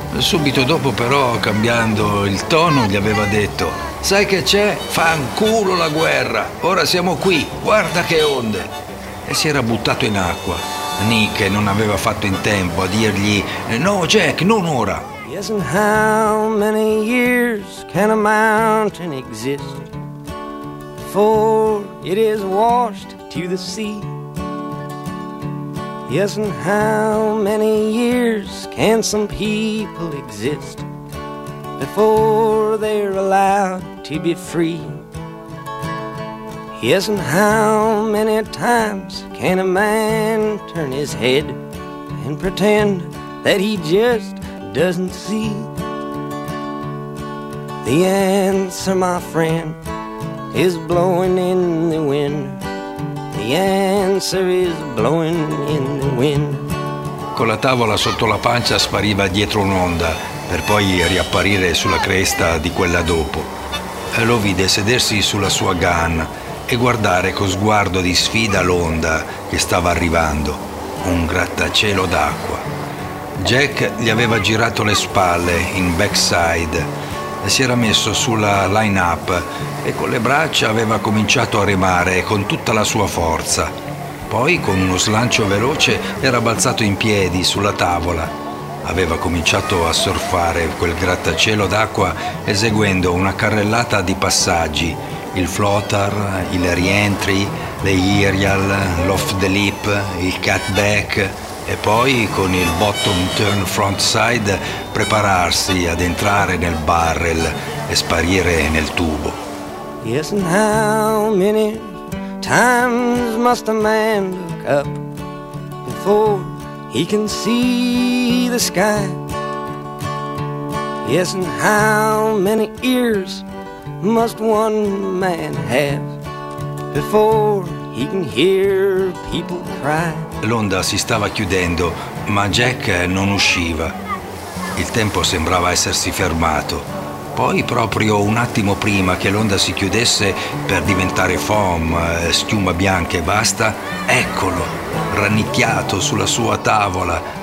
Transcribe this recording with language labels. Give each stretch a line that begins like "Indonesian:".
Italian: Subito dopo però, cambiando il tono, gli aveva detto «Sai che c'è? Fanculo la guerra! Ora siamo qui! Guarda che onde!» E si era buttato in acqua. Nick non aveva fatto in tempo a dirgli «No, Jack, non ora!»
English: Yes, and how many years can a mountain exist before it is washed to the sea? Yes, and how many years can some people exist before they're allowed to be free? Yes, and how many times can a man turn his head and pretend that he just doesn't see? The answer, my friend, is blowing in the wind. The answer is blowing in the wind.
Italian: Con la tavola sotto la pancia spariva dietro un'onda per poi riapparire sulla cresta di quella dopo. Lo vide sedersi sulla sua gun e guardare con sguardo di sfida l'onda che stava arrivando, un grattacielo d'acqua. Jack gli aveva girato le spalle in backside e si era messo sulla line up e con le braccia aveva cominciato a remare con tutta la sua forza. Poi, con uno slancio veloce, era balzato in piedi sulla tavola. Aveva cominciato a surfare quel grattacielo d'acqua eseguendo una carrellata di passaggi: il flotter, il rientri, le aerial, l'off the lip, il cutback e poi con il bottom turn frontside prepararsi ad entrare nel barrel e sparire nel tubo.
English: Yes, and how many times must a man look up before he can see the sky? Yes, and how many ears must one man have before he can hear people cry?
Italian: L'onda si stava chiudendo, ma Jack non usciva. Il tempo sembrava essersi fermato. Poi, proprio un attimo prima che l'onda si chiudesse per diventare foam, schiuma bianca e basta, eccolo, rannicchiato sulla sua tavola.